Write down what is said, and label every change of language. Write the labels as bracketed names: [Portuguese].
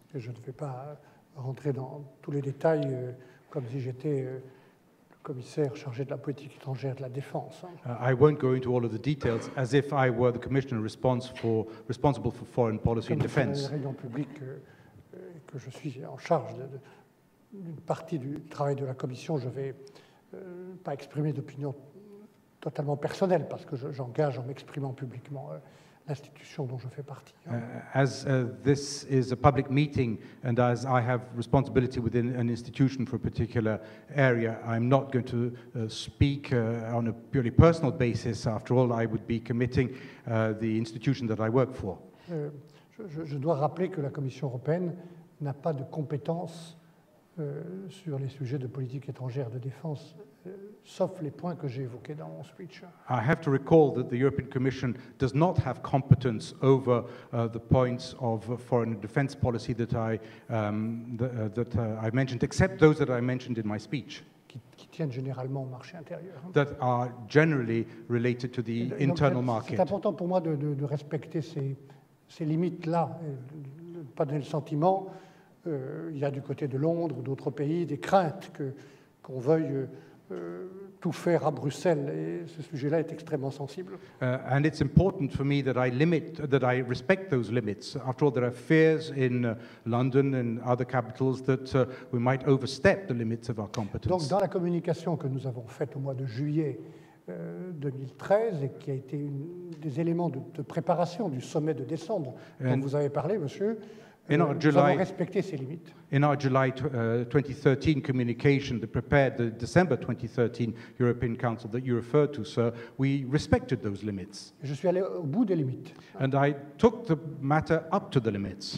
[French] Et je ne vais pas rentrer dans tous les détails comme si j'étais... commissaire chargé de la politique étrangère de la défense. [English] I won't go into all of the details as if I were the commissioner responsible for foreign policy and defense. [French] Comme le rayon public que je suis en charge d'une partie du travail de la commission, je vais pas exprimer d'opinion totalement personnelle parce que j'engage en m'exprimant publiquement l'institution dont je fais partie. [English] This is a public meeting, and as I have responsibility within an institution for a particular area, I'm not going to speak on a purely personal basis. After all, I would be committing the institution that I work for. [French] Je dois rappeler que la Commission européenne n'a pas de compétence sur les sujets de politique étrangère de défense. Sauf les points que j'ai évoqués dans mon speech. [English] I have to recall that the European Commission does not have competence over the points of foreign defense policy that I mentioned, except those that I mentioned in my speech. [French] Qui tiennent généralement au marché intérieur. [English] That are generally related to the internal market. [French] C'est important pour moi de respecter ces limites-là, de ne pas donner le sentiment. Il y a du côté de Londres ou d'autres pays des craintes qu'on veuille... tout faire à Bruxelles et ce sujet-là est extrêmement sensible. [English] And it's important for me that I limit, that I respect those limits. After all, there are fears in London and other capitals that we might overstep the limits of our competence. [French] Donc, dans la communication que nous avons faite au mois de juillet 2013 et qui a été une des éléments de préparation du sommet de décembre dont vous avez parlé, monsieur. [English] In our July, [French] nous avons respecté ces limites. [English] In our July 2013 communication that prepared the December 2013 European Council that you referred to, sir, we respected those limits. [French] Je suis allé au bout des limites. [English] And I took the matter up to the limits.